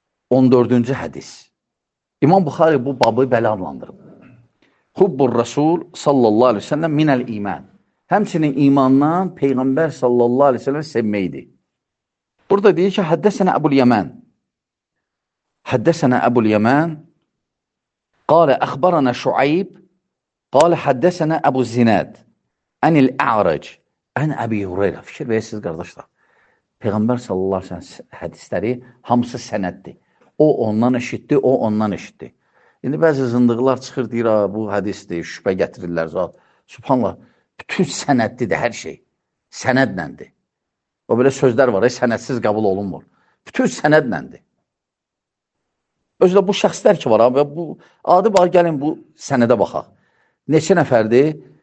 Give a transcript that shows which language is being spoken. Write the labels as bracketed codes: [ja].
[az] 14-cü hədis. İmam Buxari bu babı belə adlandırıb: [ar] "Hubbur Rasul sallallahu aleyhi ve sellem minəl iman." [az] Həmçinin imandan Peyğəmbər sallallahu aleyhi ve sellem sevməkdir. Burada deyir ki, həddəsənə Əbu'l-Yəmən. [ar] حدثنا أبو اليمان قال أخبرنا شعيب قال حدثنا أبو الزناد عن الأعرج عن أبي هريرة. [az] Fikir verirsiniz qardaşlar. Peyğəmbər sallallahu aleyhi ve sellem hədisləri hamısı sənəddir. O ondan eşitdi, o ondan eşitdi. İndi bəzi zındıqlar çıxır deyir, bu hədisdir, şübhə gətirirlər. Subhanallah, bütün sənəddir hər şey. Sənədləndir. O belə sözlər var, sənədsiz qəbul olunmur. Bütün sənədləndir. Özü də bu şəxslər ki var, və bu adı var, gəlin bu sənədə baxaq. Neçə nəfərdir?